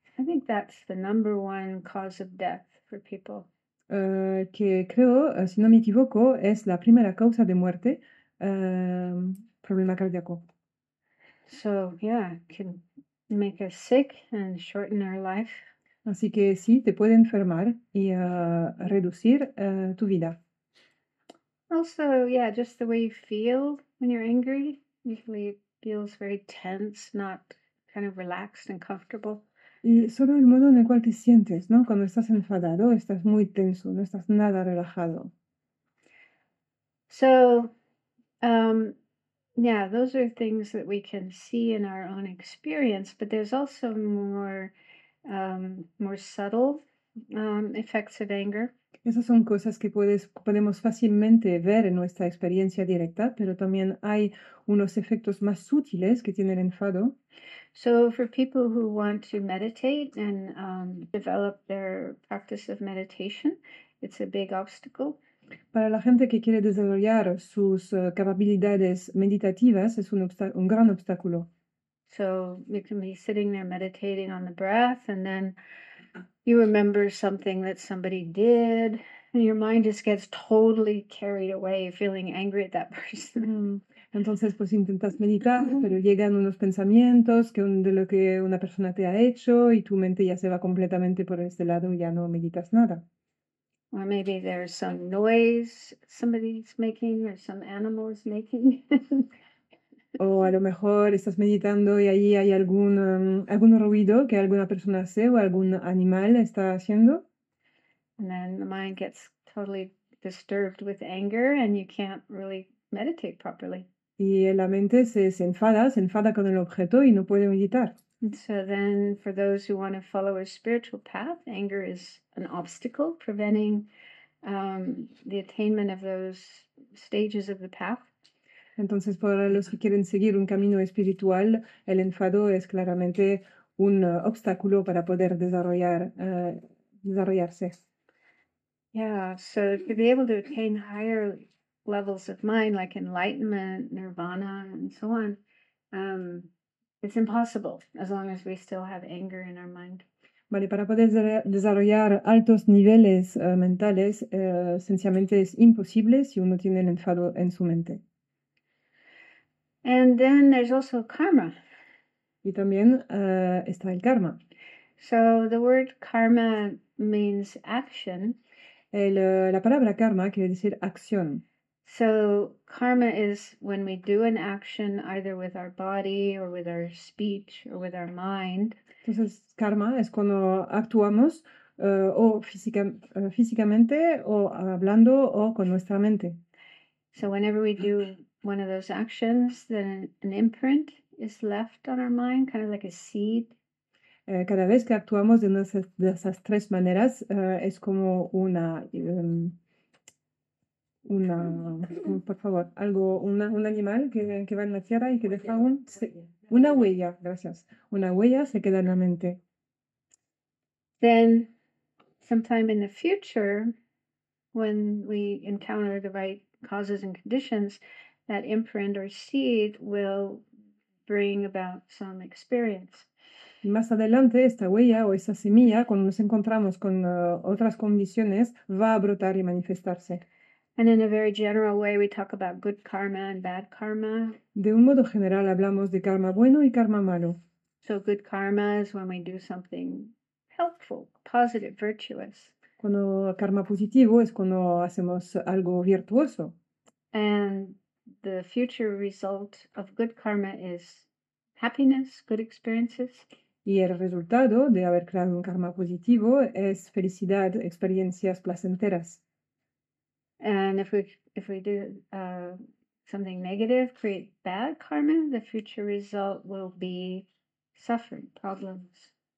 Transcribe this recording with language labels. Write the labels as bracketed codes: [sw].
[en] I think that's the number one cause of death for people. [es] que creo, si no me equivoco, es la primera causa de muerte, problema cardíaco. [en] So, yeah, can make us sick and shorten our life. [es] Así que sí, te puede enfermar y reducir tu vida. [en] Also, yeah, just the way you feel when you're angry, usually it feels very tense, not kind of relaxed and comfortable. [es] Y solo el modo en el cual te sientes, ¿no? Cuando estás enfadado, estás muy tenso, no estás nada relajado. [en] Yeah, those are things that we can see in our own experience, but there's also more subtle effects of anger. [es] Esas son cosas que podemos fácilmente ver en nuestra experiencia directa, pero también hay unos efectos más sutiles que tiene el enfado. [en] So for people who want to meditate and develop their practice of meditation, it's a big obstacle. [es] Para la gente que quiere desarrollar sus capacidades meditativas, es un gran obstáculo. [en] So you can be sitting there meditating on the breath, and then you remember something that somebody did, and your mind just gets totally carried away, feeling angry at that person. [es] Entonces, pues intentas meditar, pero llegan unos pensamientos de lo que una persona te ha hecho y tu mente ya se va completamente por este lado y ya no meditas nada. [en] Or maybe there's some noise somebody's making or some animal is making. [es] O a lo mejor estás meditando y allí hay algún ruido que alguna persona hace o algún animal está haciendo. [en] And then the mind gets totally disturbed with anger, and you can't really meditate properly. [es] Y la mente se enfada con el objeto y no puede meditar. [en] And so then, for those who want to follow a spiritual path, anger is an obstacle preventing the attainment of those stages of the path. [es] Entonces, para los que quieren seguir un camino espiritual, el enfado es claramente un obstáculo para poder desarrollarse. [en] Yeah, so to be able to attain higher levels of mind, like enlightenment, nirvana, and so on, it's impossible as long as we still have anger in our mind. [es] Vale, para poder desarrollar altos niveles mentales, sencillamente es imposible si uno tiene el enfado en su mente. [en] And then there's also karma. [es] Y también está el karma. [en] So the word karma means action. [es] La palabra karma quiere decir acción. [en] So karma is when we do an action either with our body or with our speech or with our mind. [es] Entonces, karma es cuando actuamos o físicamente o hablando o con nuestra mente. [en] So whenever we do one of those actions, then an imprint is left on our mind, kind of like a seed. [es] Cada vez que actuamos de esas tres maneras, es como por favor, algo, un animal que va en la tierra y que deja una huella, gracias. Una huella se queda en la mente. [en] Then, sometime in the future, when we encounter the right causes and conditions, that imprint or seed will bring about some experience. [es] Y más adelante, esta huella o esa semilla, cuando nos encontramos con otras condiciones, va a brotar y manifestarse. [en] And in a very general way, we talk about good karma and bad karma. [es] De un modo general, hablamos de karma bueno y karma malo. [en] So good karma is when we do something helpful, positive, virtuous. [es] Cuando karma positivo es cuando hacemos algo virtuoso. [en] And the future result of good karma is happiness, good experiences. [es] Y el resultado de haber creado un karma positivo es felicidad, experiencias placenteras. [en] And if we do something negative, create bad karma, the future result will be suffering, problems.